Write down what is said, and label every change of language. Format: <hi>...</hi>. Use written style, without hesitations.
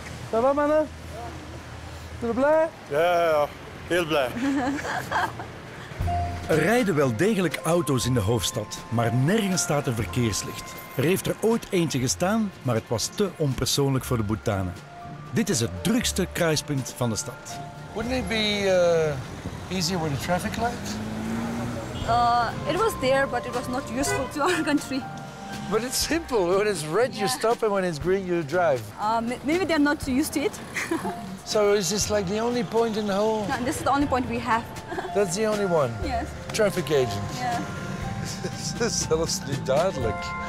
<fr>Ça va,</fr> <nl>mannen? Ben je blij? Ja, heel blij. Er rijden wel degelijk auto's in de hoofdstad, maar nergens staat een verkeerslicht. Er heeft er ooit eentje gestaan, maar het was te onpersoonlijk voor de Bhutanen. Dit is het drukste kruispunt van de stad.</nl> <en>Wouldn't it be easier with a traffic light? It was there, but it was not useful to our country. But it's simple. When it's red, you stop, and when it's green, you drive. Maybe they're not used to it. So is this like the only point in the whole? No, this is the only point we have. That's the only one? Yes. Traffic agent. Yeah. This is</en> <nl>zelfs niet duidelijk.</nl>